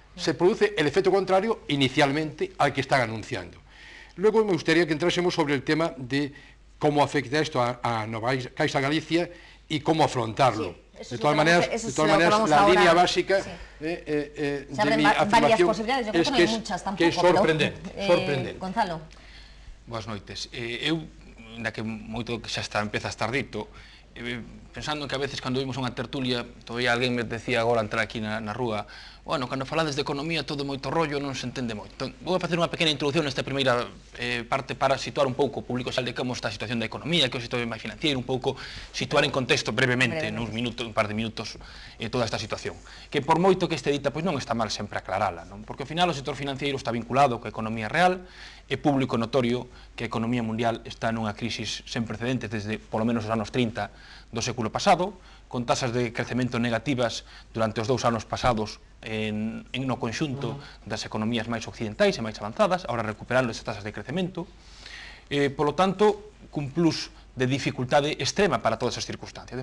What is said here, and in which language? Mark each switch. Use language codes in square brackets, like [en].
[es] se produce el efecto contrario inicialmente al que están anunciando. Luego me gustaría que entrásemos sobre el tema de cómo afecta esto a Nova Caixa Galicia y cómo afrontarlo. Sí. De todas maneras, la línea básica de mi afirmación es que es sorprendente. Gonzalo. [gl] Boas noites. Eu, na que moito que xa está, empeza a estar dito, pensando que a veces cando vimos unha tertulia, todavía alguén me decía agora entrar aquí na rúa, bueno, cando falades de economía todo moito rollo non se entende moito. Então, vou a facer unha pequena introducción nesta primeira parte para situar un pouco o público xa de como está a situación da economía, que é o sistema máis financiero, un pouco situar en contexto brevemente. un par de minutos, toda esta situación. Que por moito que este dita, pois non está mal sempre aclarala, non? Porque ao final o sector financiero está vinculado coa economía real, é público notorio que a economía mundial está nunha crisis sen precedentes desde polo menos os anos 30 do século pasado, con tasas de crecemento negativas durante os dous anos pasados en no conxunto das economías máis occidentais e máis avanzadas, ahora recuperando esas tasas de crecemento, polo tanto, cun plus de dificultade extrema para todas as circunstancias.